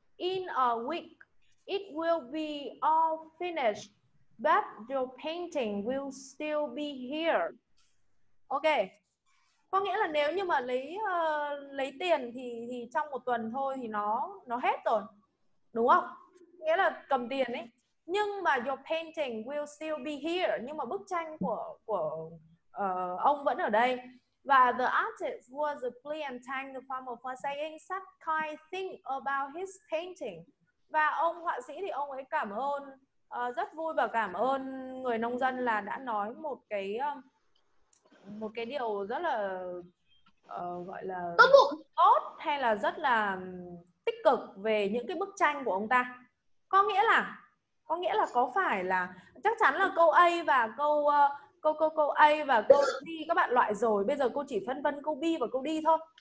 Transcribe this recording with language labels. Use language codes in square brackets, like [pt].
[en] In a week, it will be all finished, but your painting will still be here. [vi] Ok, có nghĩa là nếu như mà lấy tiền thì trong một tuần thôi thì nó hết rồi. Đúng không? Nghĩa là cầm tiền ấy. Nhưng mà [en] your painting will still be here. [vi] Nhưng mà bức tranh của ông vẫn ở đây. Và [en] the artist was pleased and thanked the farmer for saying such kind thing about his painting. [vi] Và ông họa sĩ thì ông ấy cảm ơn Rất vui và cảm ơn người nông dân là đã nói một cái điều rất là gọi là tốt bụng, tốt hay là rất là tích cực về những cái bức tranh của ông ta. Có nghĩa là có phải là chắc chắn là câu A và câu A và câu B các bạn loại rồi, bây giờ cô chỉ phân vân câu B và câu D thôi.